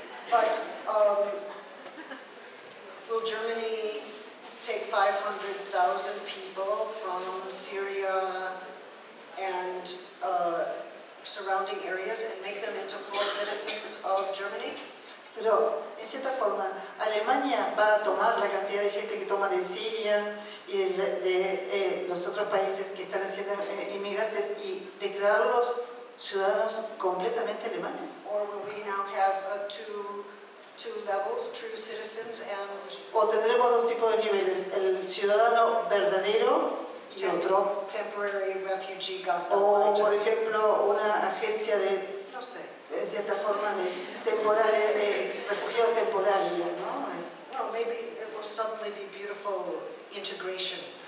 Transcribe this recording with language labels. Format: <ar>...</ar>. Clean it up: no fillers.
<en>But will Germany take 500,000 people from Syria and surrounding areas and make them into full citizens of Germany?</en> <es>Pero, en cierta forma, Alemania va a tomar la cantidad de gente que toma de Siria y de los otros países que están haciendo inmigrantes y declararlos ciudadanos completamente alemanes.</es> <en>Or will we now have two levels, true citizens and...</en> <es>O tendremos dos tipos de niveles, el ciudadano verdadero y otro.</es> <en>Temporary refugee Gustav.</en> <es>O, por ejemplo, una agencia de, no sé, en cierta forma, de temporales, de refugio temporal, ¿no?</es> <en>Well, maybe it will suddenly be beautiful integration.</en>